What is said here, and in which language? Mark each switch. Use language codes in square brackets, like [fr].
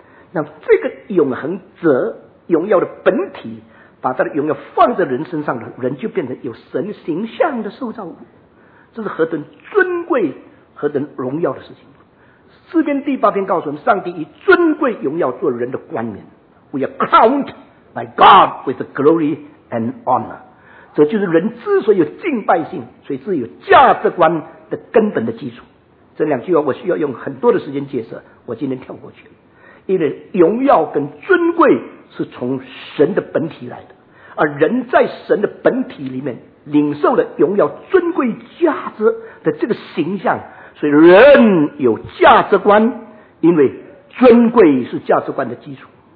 [zh] 那这个永恒者荣耀的本体，把他的荣耀放在人身上的人，就变成有神形象的受造物。这是何等尊贵、何等荣耀的事情。诗篇第八篇告诉我们，上帝以尊贵荣耀做人的冠冕。 [en] We are crowned by God with the glory and honor. [zh] 这就是人之所以有敬拜性，所以是有价值观的根本的基础。这两句话我需要用很多的时间解释，我今天跳过去。因为荣耀跟尊贵是从神的本体来的，而人在神的本体里面领受了荣耀尊贵价值的这个形象，所以人有价值观，因为尊贵是价值观的基础。